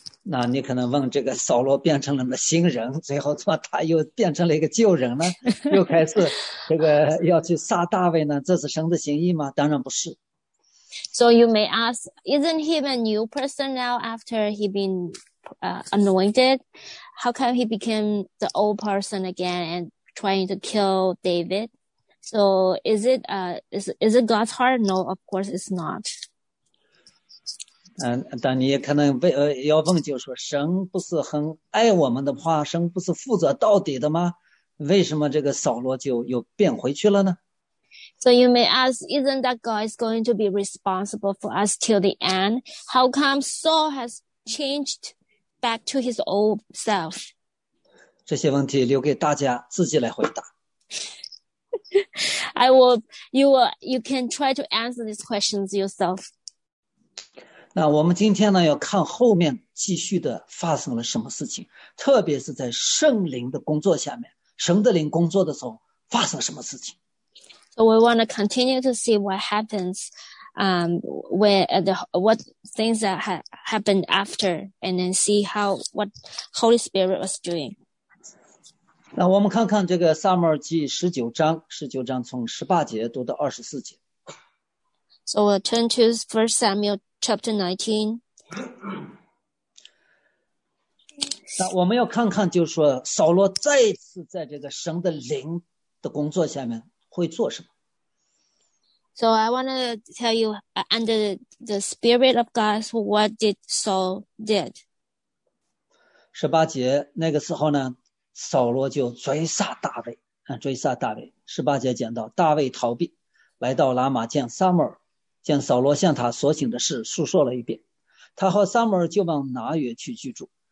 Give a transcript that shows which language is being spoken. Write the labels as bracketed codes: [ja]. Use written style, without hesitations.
[zh] 那你可能问，这个扫罗变成了新人，最后怎么他又变成了一个旧人呢？又开始这个要去杀大卫呢？这是神的心意吗？当然不是。 [en] So you may ask, isn't he a new person now after he been anointed? How come he became the old person again and trying to kill David? So is it God's heart? No, of course it's not. [zh] 但你也可能要问，就说神不是很爱我们的话，神不是负责到底的吗？为什么这个扫罗就又变回去了呢 [en] ？So you may ask, isn't that God is going to be responsible for us till the end? How come Saul has changed back to his old self? [zh] 这些问题留给大家自己来回答。 [en] You can try to answer these questions yourself. [zh] 那我们今天呢，要看后面继续的发生了什么事情，特别是在圣灵的工作下面。神的灵工作的时候发生什么事情 [en] ？So we want to continue to see what happens, what things that happened after, and then see what Holy Spirit was doing. [zh] 那我们看看这个撒母耳记十九章从18节读到24节。 [en] So we'll turn to First Samuel chapter 19. [zh] 那我们要看看，就是说扫罗再次在这个神的灵的工作下面会做什么。 [en] So I want to tell you under the Spirit of God, what did Saul did? [zh] 十八节那个时候呢，扫罗就追杀大卫。十八节讲到大卫逃避，来到拉玛见撒母耳，见扫罗向他所行的事述说了一遍，他和撒母耳就往拿约去居住。